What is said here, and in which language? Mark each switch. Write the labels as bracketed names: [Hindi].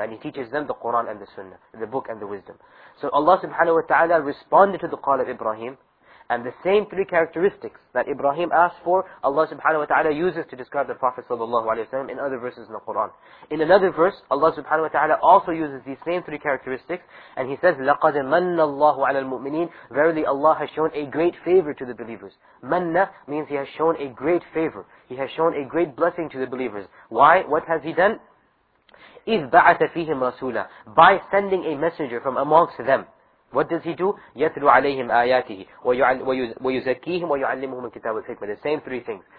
[English] And he teaches them the Qur'an and the Sunnah, the book and the wisdom. So Allah subhanahu wa ta'ala responded to the call of Ibrahim. And the same three characteristics that Ibrahim asked for, Allah subhanahu wa ta'ala uses to describe the Prophet sallallahu alayhi wa sallam in other verses in the Qur'an. In another verse, Allah subhanahu wa ta'ala also uses these same three characteristics. And he says, [Arabic] لَقَدْ مَنَّ اللَّهُ عَلَى الْمُؤْمِنِينَ. [English] Verily Allah has shown a great favor to the believers. مَنَّ means he has shown a great favor. He has shown a great blessing to the believers. Why? What has he done? [Arabic] إِذْ بَعَثَ فِيهِمْ رَسُولًا. [English] By sending a messenger from amongst them. What does he do? [Arabic] يَتْلُوا عَلَيْهِمْ آيَاتِهِ وَيُزَكِّيهِمْ وَيُعَلِّمُهُمُ الْكِتَابَ وَالْحِكْمَةَ. [English] The same three things.